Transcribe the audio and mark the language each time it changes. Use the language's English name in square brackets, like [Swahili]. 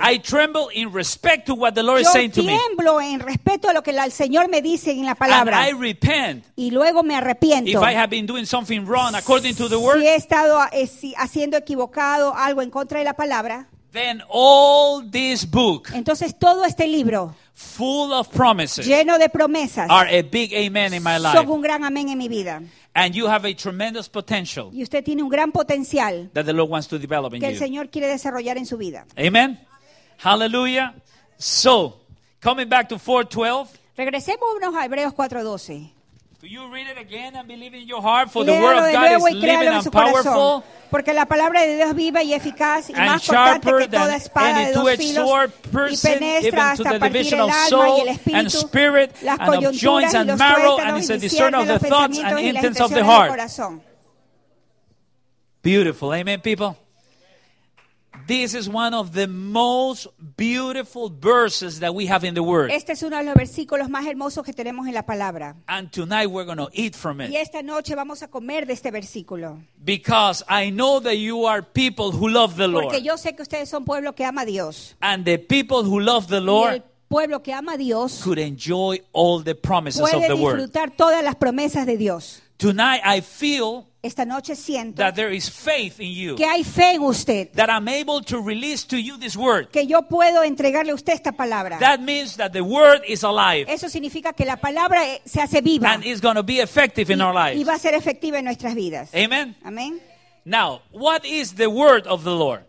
[English] I tremble in respect to what the Lord [Spanish] yo [English] is saying to me. [Spanish] Yo tiemblo en respeto a lo que el Señor me dice en la palabra. [English] And I repent. [Spanish] Y luego me arrepiento. [English] If I have been doing something wrong according to the word, [Spanish] si he estado haciendo equivocado algo en contra de la palabra, [English] then all this book, [Spanish] entonces todo este libro, [English] full of promises, [Spanish] lleno de promesas, [English] are a big amen in my life. [Spanish] Son un gran amén en mi vida. [English] And you have a tremendous potential. [Spanish] Y usted tiene un gran potencial [English] that the Lord wants to develop in you. [Spanish] Que el Señor quiere desarrollar en su vida. [English] Amen. Hallelujah. So, coming back to 4:12. [Spanish] Regresemos a Hebreos 4:12. [English] Do you read it again and believe in your heart? For the word of God is living and powerful. [Spanish] Porque la palabra de Dios viva y eficaz y más cortante que toda espada de dos filos y penetra hasta partir el alma y el espíritu, las coyunturas y los tuétanos y discierne los pensamientos y las intenciones del corazón. [English] Beautiful, amen, people. This is one of the most beautiful verses that we have in the Word. [Spanish] Este es uno de los versículos más hermosos que tenemos en la palabra. [English] And tonight we're going to eat from it. [Spanish] Y esta noche vamos a comer de este versículo. [English] Because I know that you are people who love the Lord. [Spanish] Porque yo sé que ustedes son pueblo que ama a Dios. [English] And the people who love the Lord. [Spanish] Y el pueblo que ama a Dios. [English] Could enjoy all the promises of the Word. [Spanish] Puede disfrutar todas las promesas de Dios. [English] Tonight I feel. [Spanish] Esta noche siento [English] that there is faith in you, [Spanish] que hay fe en usted, [English] that I'm able to release to you this word, [Spanish] que yo puedo entregarle a usted esta palabra. [English] That means that the word is alive. [Spanish] Eso significa que la palabra se hace viva, [English] and it's going to be effective in our lives. [Spanish] Y va a ser efectiva en nuestras vidas. [English] Amen. [Spanish] Amen. [English] Now, what is the word of the Lord?